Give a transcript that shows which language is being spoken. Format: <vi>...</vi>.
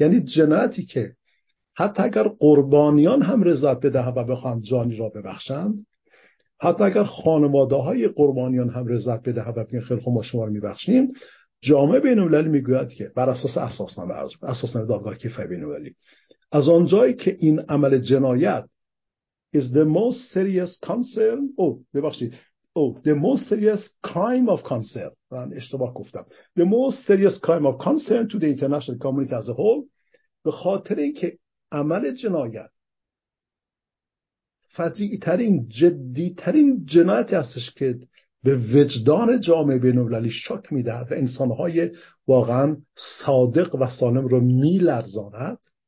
<fa>یعنی جنایتی که حتی اگر قربانیان هم رضایت بدهند و بخوان جانی را ببخشند، حتی اگر خانواده های قربانیان هم رضایت بده و بگن خیلی خوب ما شما رو میبخشیم، جامعه بین المللی میگوید که بر اساس اساسنامه دادگاه کیفر بین المللی، از آنجایی که این عمل جنایت</fa> <en>is the most serious concern. The most serious crime of concern.</en> <fa>من اشتباه گفتم.</fa> <en>The most serious crime of concern to the international community as a whole.</en> <fa>به خاطر اینکه عمل جنایت فجیع‌ترین، جدی‌ترین جنایتی هستش که به وجدان جامعه بین‌المللی شک می‌دهد و انسان‌های واقعاً صادق و سالم رو می‌لرزاند.</fa>